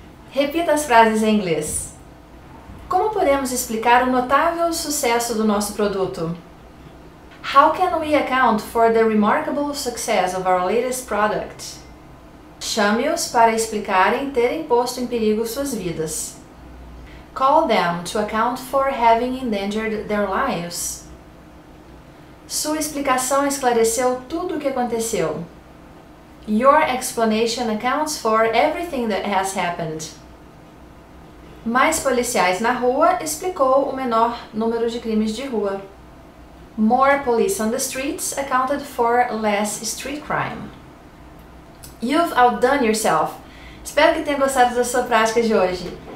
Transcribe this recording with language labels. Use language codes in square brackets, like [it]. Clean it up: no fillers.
[pt] Repita as frases em inglês. Como podemos explicar o notável sucesso do nosso produto? [en] How can we account for the remarkable success of our latest product? [pt] Chame-os para explicarem terem posto em perigo suas vidas. [en] Call them to account for having endangered their lives. [pt] Sua explicação esclareceu tudo o que aconteceu. [en] Your explanation accounts for everything that has happened. [pt] Mais policiais na rua explicou o menor número de crimes de rua. [en] More police on the streets accounted for less street crime. You've outdone yourself. [pt] Espero que tenha gostado da sua prática de hoje.